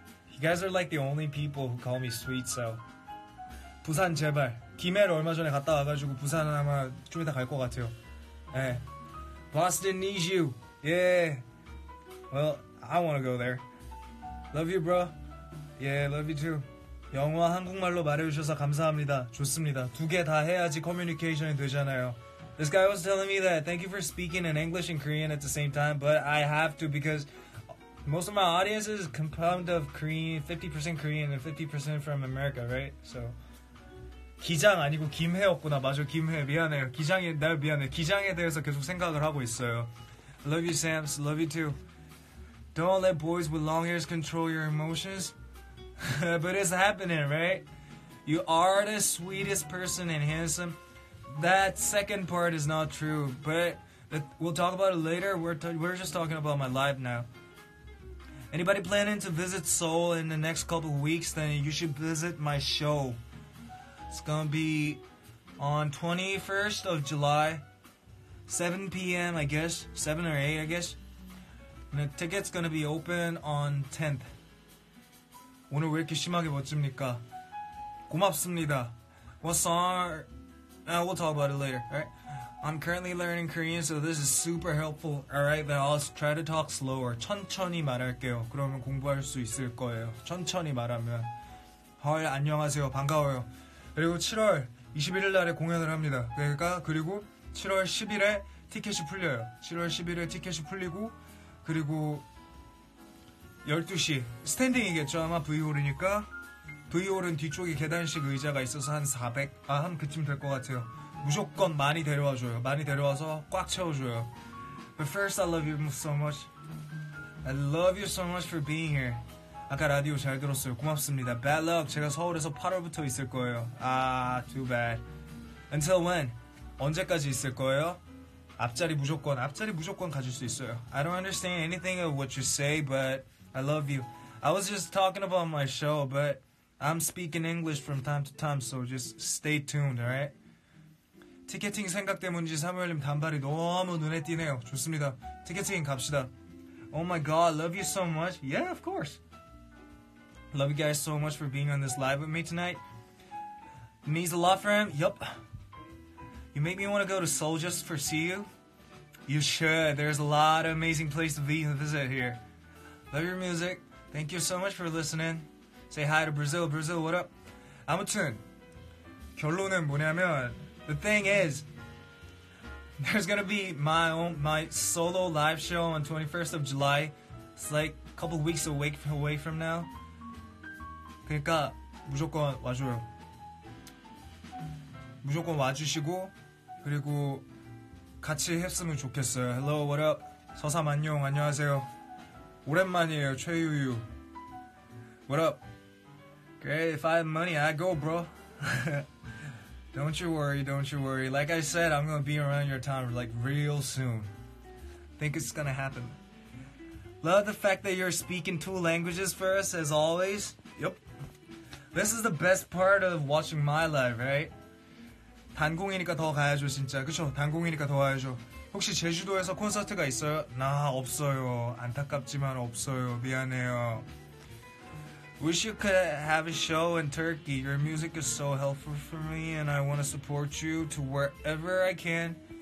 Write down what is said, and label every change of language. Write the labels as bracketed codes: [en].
[en] You guys are like the only people who call me sweet, so. [ko] 부산 제발. 김해를 얼마 전에 갔다 와가지고 부산은 아마 좀 이따 갈 것 같아요. 예. 네. [en] Boston needs you. Yeah, well, I want to go there. Love you, bro. Yeah, love you too. [ko] 영어 한국말로 말해주셔서 감사합니다. 좋습니다. 두 개 다 해야지 커뮤니케이션이 되잖아요. [en] This guy was telling me that thank you for speaking in English and Korean at the same time, but I have to because most of my audience is compounded of Korean, 50% Korean and 50% from America, right? So [ko] 기장 아니고 김해였구나. 맞아, 김해. 미안해요. 기장이 날 미안해. 기장에 대해서 계속 생각을 하고 있어요. [en] Love you, Sam. Love you, too. Don't let boys with long hairs control your emotions. But it's happening, right? You are the sweetest person and handsome. That second part is not true, but we'll talk about it later. We're just talking about my life now. Anybody planning to visit Seoul in the next couple weeks, then you should visit my show. It's gonna be on 21st of July. 7 p.m. I guess 7 or 8 I guess and the ticket's gonna be open on 10th [ko] 오늘 왜 이렇게 심하게 멋집니까? 고맙습니다. [en] What song we'll talk about it later, alright? I'm currently learning Korean, so this is super helpful. Alright, then I'll try to talk slower. [ko] 천천히 말할게요. 그러면 공부할 수 있을 거예요. 천천히 말하면. 헐, 안녕하세요. 반가워요. 그리고 7월 21일 날에 공연을 합니다. 그러니까, 그리고 7월 10일에 티켓이 풀려요. 7월 10일에 티켓이 풀리고, 그리고 12시. 스탠딩이겠죠? 아마 V홀이니까. V홀은 뒤쪽에 계단식 의자가 있어서 한 400? 아, 한 그쯤 될 것 같아요. 무조건 많이 데려와줘요. 많이 데려와서 꽉 채워줘요. [en] But first, I love you so much. I love you so much for being here. [ko] 아까 라디오 잘 들었어요. 고맙습니다. [en] Bad luck. [ko] 제가 서울에서 8월부터 있을 거예요. 아, [en] too bad. Until when? [ko] 언제까지 있을 거예요? 앞자리 무조건. 앞자리 무조건 가질 수 있어요. [en] I don't understand anything of what you say, but I love you. I was just talking about my show, but I'm speaking English from time to time, so just stay tuned, alright? [ko] 티켓팅 생각 때문인지 사무엘님 단발이 너무 눈에 띄네요. 좋습니다. 티켓팅 갑시다. [en] Oh my god, love you so much. Yeah, of course. Love you guys so much for being on this live with me tonight. Means a lot for him. Yup. You make me want to go to Seoul just for see you. You should. There's a lot of amazing places to be and visit here. Love your music. Thank you so much for listening. Say hi to Brazil. Brazil, what up? [ko] 아무튼 결론은 뭐냐면 [en] The thing is, there's gonna be my solo live show on 21st of July. It's like a couple weeks away from now. [ko] 그러니까 무조건 와줘요. 무조건 와주시고 그리고 같이 했으면 좋겠어요. [en] Hello, what up? 서사 만용 [ko] 안녕하세요. 오랜만이에요, [en] 최유유. What up? Great, if I have money, I go, bro. Don't you worry. Like I said, I'm gonna be around your town like real soon. Think it's gonna happen. Love the fact that you're speaking two languages for us as always. Yup. This is the best part of watching my life, right? [ko] 단공이니까 더 가야죠, 진짜. 그쵸? 단공이니까 더 가야죠. 혹시 제주도에서 콘서트가 있어요? 나 없어요. 안타깝지만 없어요. 미안해요. [en] Wish you could have a show in Turkey. Your music is so helpful for me and I want to support you to wherever I can.